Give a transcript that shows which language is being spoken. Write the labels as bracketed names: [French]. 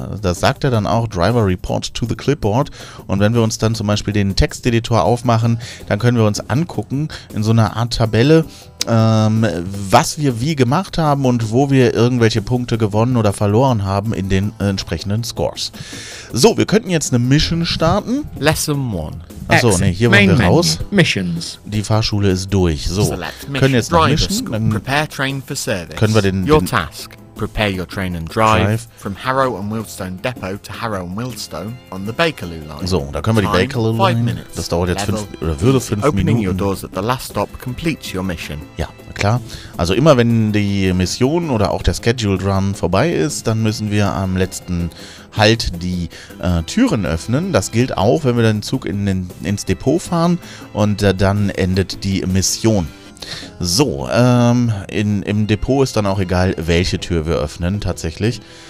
[German] Das sagt er dann auch, [English] Driver Report to the Clipboard. [German] Und wenn wir uns dann zum Beispiel den Texteditor aufmachen, dann können wir uns angucken in so einer Art Tabelle, was wir wie gemacht haben und wo wir irgendwelche Punkte gewonnen oder verloren haben in den entsprechenden Scores. So, wir könnten jetzt eine Mission starten. [English] Lesson 1. [German] Achso, ne, hier wollen wir raus. [English] Missions. [German] Die Fahrschule ist durch. So, können jetzt noch mischen. [English] Prepare train for service. [German] Können wir den... [English] Your task. Prepare your train and drive from Harrow and Wildstone Depot to Harrow and Wildstone on the Bakerloo Line. [German] So, da können wir die Bakerloo Line. [English] Five minutes. [German] Das dauert jetzt fünf [English] opening [German] Minuten. [English] Your doors at the last stop completes your mission. [German] Ja, klar. Also immer wenn die Mission oder auch der Scheduled Run vorbei ist, dann müssen wir am letzten Halt die Türen öffnen. Das gilt auch, wenn wir den Zug ins Depot fahren und dann endet die Mission. So, im Depot ist dann auch egal, welche Tür wir öffnen, tatsächlich.